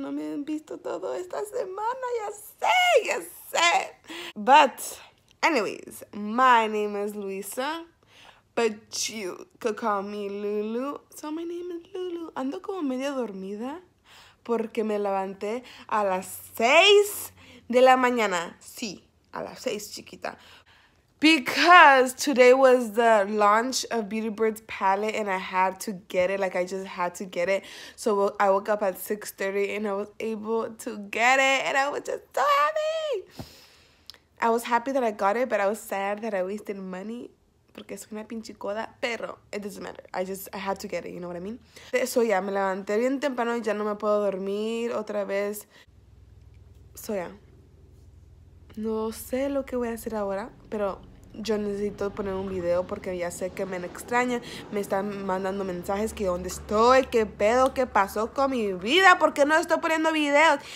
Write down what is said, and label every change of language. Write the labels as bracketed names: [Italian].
[Spanish] No me han visto todo esta semana, ya sé, ya sé. [English] But, anyways, my name is Luisa, but you could call me Lulu. So my name is Lulu. [Spanish] Ando como media dormida porque me levanté a las 6 de la mañana. Sí, a las 6, chiquita. [English] Because today was the launch of Beauty Bird's palette and I had to get it. Like, I just had to get it. So I woke up at 6:30 and I was able to get it. And I was just so happy. I was happy that I got it, but I was sad that I wasted money. [Spanish] Porque soy una pinche coda, pero [English] it doesn't matter. I had to get it, you know what I mean? So yeah, [Spanish] me levanté bien temprano y ya no me puedo dormir otra vez. So yeah. No sé lo que voy a hacer ahora, pero yo necesito poner un video porque ya sé que me extraña. Me están mandando mensajes que dónde estoy, qué pedo, qué pasó con mi vida, por qué no estoy poniendo videos.